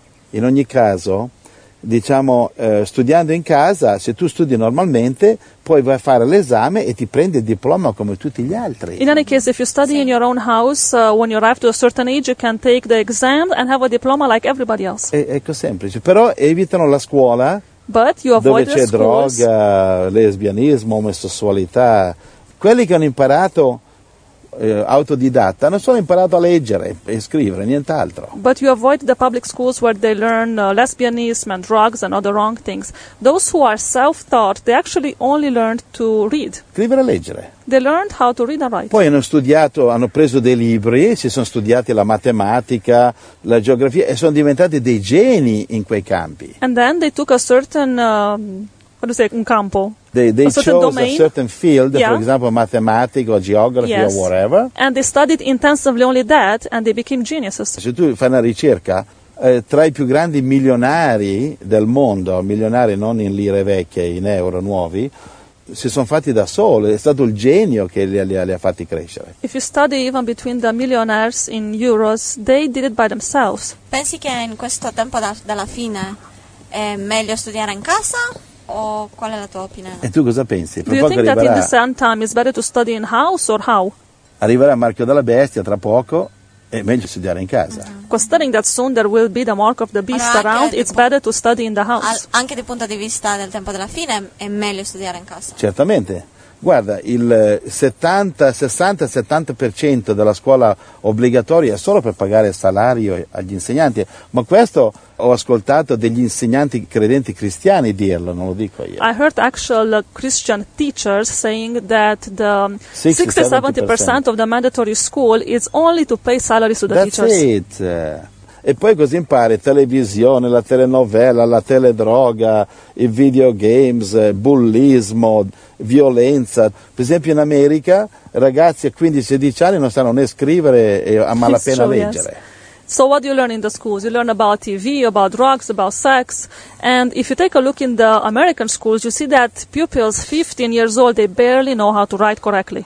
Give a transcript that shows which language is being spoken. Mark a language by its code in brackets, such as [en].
[it] In ogni caso, diciamo, studiando in casa, se tu studi normalmente, poi vai a fare l'esame e ti prendi il diploma come tutti gli altri. [en] In any case, if you study in your own house, when you arrive to a certain age, you can take the exam and have a diploma like everybody else. [it] Ecco, semplice. Però evitano la scuola. [en] But you avoid [it] dove c'è droga, lesbianismo, omosessualità. Quelli che hanno imparato autodidatta hanno solo imparato a leggere e scrivere, nient'altro. [en] But you avoid the public schools where they learn lesbianism and drugs and other wrong things. Those who are self-taught, they actually only learned to read. [it] Scrivere e leggere. [en] They learned how to read and write. [it] Poi hanno studiato, hanno preso dei libri, si sono studiati la matematica, la geografia e sono diventati dei geni in quei campi. [en] And then they took a certain un campo. They a chose domain. A certain field, yeah. For example, mathematics or geography, yes. Or whatever. And they studied intensively only that and they became geniuses. [it] Se tu fai una ricerca, tra i più grandi milionari del mondo, milionari non in lire vecchie, in euro nuovi, si sono fatti da soli, è stato il genio che li ha fatti crescere. [en] If you study even between the millionaires in euros, they did it by themselves. [it] Pensi che in questo tempo della fine è meglio studiare in casa? O qual è la tua opinione? E tu cosa pensi? [en] Do you think that in the same time it's better to study in house or how? [it] Arriverà Marchio della Bestia tra poco, è meglio studiare in casa. [en] Considering that soon there will be the mark of the beast around, it's better to study in the house. [it] Anche dal punto di vista del tempo della fine è meglio studiare in casa. Certamente. Guarda, il 60-70% della scuola obbligatoria è solo per pagare il salario agli insegnanti, ma questo ho ascoltato degli insegnanti credenti cristiani dirlo, non lo dico io. [en] I heard actual Christian teachers saying that the 60-70% of the mandatory school is only to pay salaries to the That's teachers. That's it. [it] E poi così impari televisione, la telenovela, la teledroga, i videogames, bullismo, violenza. Per esempio in America ragazzi a 15-16 anni non sanno né scrivere e a malapena leggere. [en] Yes. So what do you learn in the schools? You learn about TV, about drugs, about sex. And if you take a look in the American schools, you see that pupils 15 years old, they barely know how to write correctly.